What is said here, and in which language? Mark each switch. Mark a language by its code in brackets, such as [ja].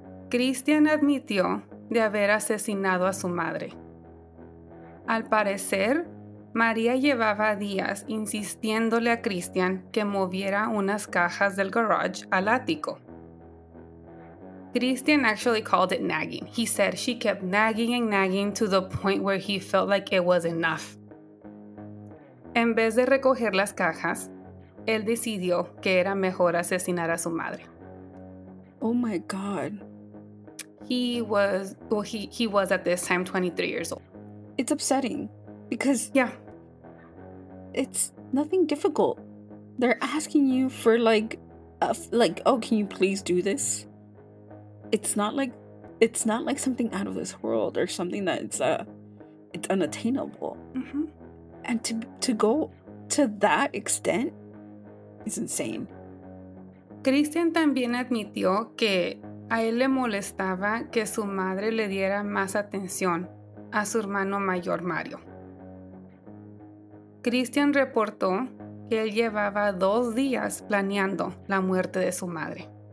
[es] Cristian admitió de haber asesinado a su madre. Al parecer, María llevaba días insistiéndole a Cristian que moviera unas cajas del garage al ático. [en] Cristian actually called it nagging. He said she kept nagging and nagging to the point where he felt like it was enough. [es] En vez de recoger las cajas, él decidió que era mejor asesinar a su madre. [en] Oh my God. He was at this time 23 years old. It's upsetting because, yeah, it's nothing difficult. They're asking you for oh, can you please do this? It's not like something out of this world or something that's it's unattainable. Mm-hmm. And to go to that extent is insane. [es] Cristian también admitió que a él le molestaba que su madre le diera más atención a su hermano mayor Mario. Cristian reportó que él llevaba 2 días planeando la muerte de su madre.